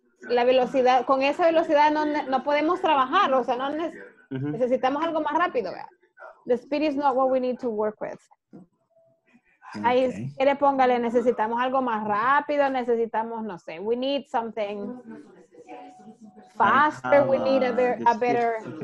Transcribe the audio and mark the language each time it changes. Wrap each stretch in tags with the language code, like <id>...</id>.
<es>la velocidad, con esa velocidad no podemos trabajar, o sea, no necesitamos algo más rápido, ¿verdad?</es> <en>The speed is not what we need to work with. Okay.</en> <es>Ahí, quiere póngale, necesitamos algo más rápido, necesitamos, no sé,</es> <en>we need something faster, we need a better...</en>